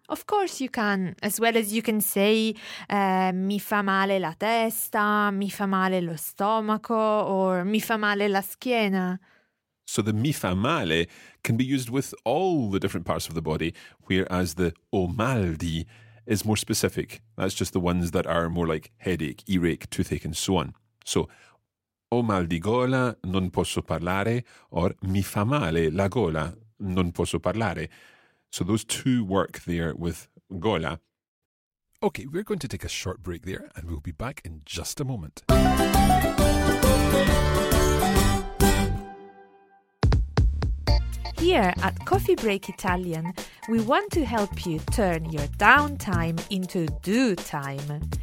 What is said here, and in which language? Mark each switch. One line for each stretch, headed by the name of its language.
English: Of course you can, as well as you can say
Italian: mi fa male la testa, mi fa male lo stomaco,
English: or
Italian: mi fa male la schiena.
English: So the
Italian: mi fa male
English: can be used with all the different parts of the body, whereas the
Italian: o mal di
English: is more specific. That's just the ones that are more like headache, earache, toothache, and so on.
Italian: So, o mal di gola, non posso parlare, or mi fa male la gola, non posso parlare.
English: So those two work there with gola. Okay, we're going to take a short break there, and we'll be back in just a moment. Here at Coffee Break Italian, we want to help you turn your downtime into do time.